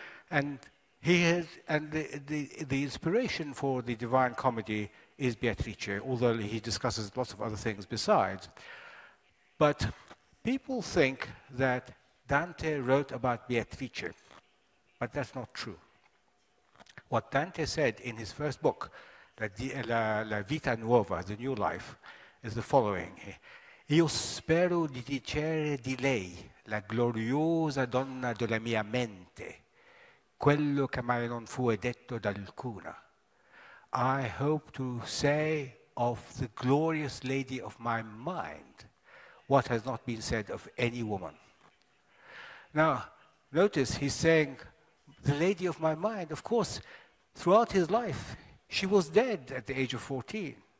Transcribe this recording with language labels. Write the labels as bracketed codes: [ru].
[en] And he has, and the inspiration for the Divine Comedy is Beatrice, although he discusses lots of other things besides. But people think that Dante wrote about Beatrice, but that's not true. What Dante said in his first book, La Vita Nuova, The New Life, is the following. [it] Io spero di dicere di lei, la gloriosa donna della mia mente, quello che mai non fu detto da alcuna. [en] I hope to say of the glorious lady of my mind what has not been said of any woman. Now, notice he's saying, the lady of my mind. Of course, throughout his life, she was dead at the age of 14.